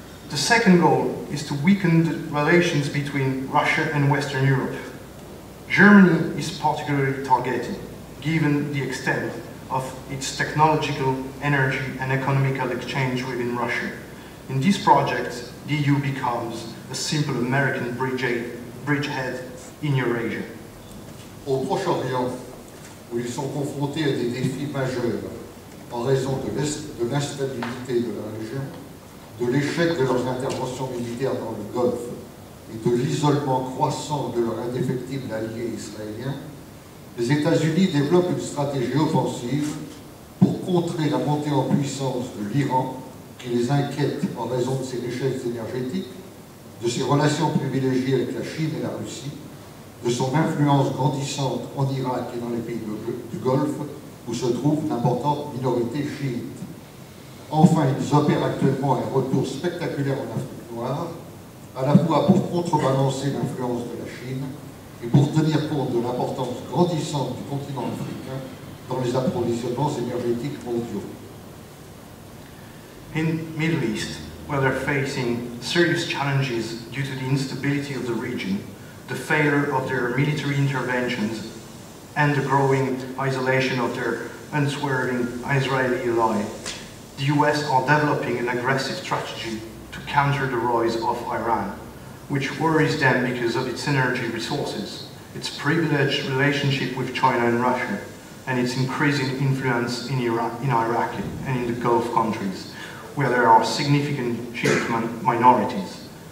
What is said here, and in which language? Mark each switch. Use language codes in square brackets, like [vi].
[en] The second goal is to weaken the relations between Russia and Western Europe. Germany is particularly targeted, given the extent of its technological, energy and economical exchange within Russia. In this project, the EU becomes a simple American bridgehead in Eurasia. [fr] Au Proche-Orient, où ils sont confrontés à des défis majeurs en raison de l'instabilité de la région, de l'échec de leurs interventions militaires dans le Golfe et de l'isolement croissant de leur indéfectible allié israélien, les États-Unis développent une stratégie offensive pour contrer la montée en puissance de l'Iran qui les inquiète en raison de ses richesses énergétiques, de ses relations privilégiées avec la Chine et la Russie, de son influence grandissante en Irak et dans les pays du Golfe où se trouve une importante minorité chiite. Enfin, ils opèrent actuellement un retour spectaculaire en Afrique noire, à la fois pour contrebalancer l'influence de la Chine et pour tenir compte de l'importance grandissante du continent africain dans les approvisionnements énergétiques mondiaux. [en] In Middle East, where they're facing serious challenges due to the instability of the region, the failure of their military interventions, and the growing isolation of their unswerving Israeli ally, the US are developing an aggressive strategy to counter the rise of Iran, which worries them because of its energy resources, its privileged relationship with China and Russia, and its increasing influence in Iraq and in the Gulf countries, where there are significant Shiite minorities.